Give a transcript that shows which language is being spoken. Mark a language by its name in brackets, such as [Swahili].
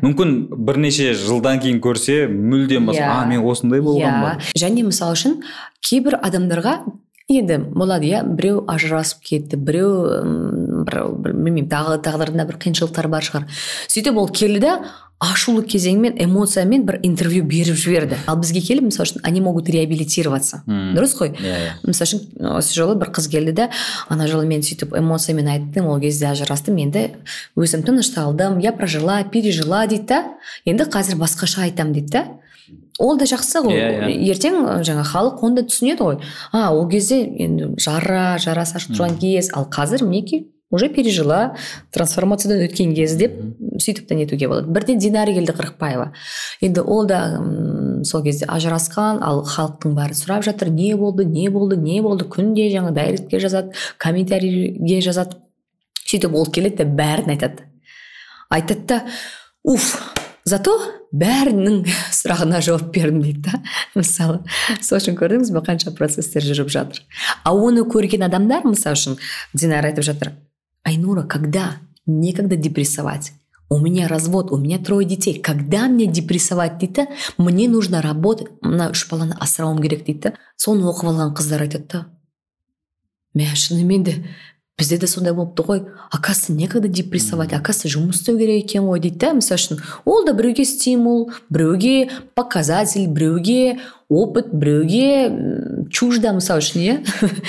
[Kazakh] Мүмкін бірнеше жылдан кейін көрсе, мүлдем басқа, мен осындай болған ба? Және мысал үшін, кейбір адамдарға енді болады, иә, біреу ажырасып кетті, біреу тағдырында бір қиыншылықтар бар шығар. Сөйтіп ол келді де ашулы кезеңмен, эмоциямен бір интервью беріп жіберді. Ал бізге келіп, мысалы үшін, [Russian] они могут реабилитироваться. [Kazakh] Дұрыс қой? Мысалы үшін, осы жолы бір қыз келді де, ана жолы мен сөйтіп эмоциямен айттым, ол кезде ажырастым, енді өзім тынышталдым, [Russian] я прожила, пережила [Kazakh] дейді, енді қазір басқаша айтам дейді. Ол да жақсы ғой. Ертең жаңа халық онда түсінеді ғой. А, ол кезде енді жарасы ашып тұрған кез, ал қазір мінекей [Russian] уже пережила, [Kazakh] трансформациядан өткен кез деп сөйтіп нетуге болады. Бірден Динара келді Қырықбаева. Енді ол да сол кезде ажырасқан, ал халықтың бәрі сұрап жатыр, не болды, не болды, не болды, күнде жаңа дайректке жазады, комментарийге жазады. Сөйтіп ол келеді, бәрін айтады. Айтады да, уф, зато бәрінің сұрағына жауап бердім дейді да. Мысалы, сол үшін көрдіңіз бе, қанша процестер жүріп жатыр. А оны көрген адамдар, мысалы үшін, Динара айтып жатыр, Айнура, когда? [Russian] Некогда депрессовать. У меня развод, у меня трое детей. Когда мне депрессовать дейді? Мне нужно работать. [Kazakh] Мына үш баланы асырауым керек дейді. Соны оқып алған қыздар айтады да. Мәшіні менде, бізде де сондай болыпты ғой. Акасы [Russian] некогда депрессовать, [Kazakh] акасы жұмыс істеу керек екен ғой дейді да. Мысалы үшін, ол да біреуге стимул, біреуге показатель, біреуге опыт, біреуге чужда, мысалы үшін, иә.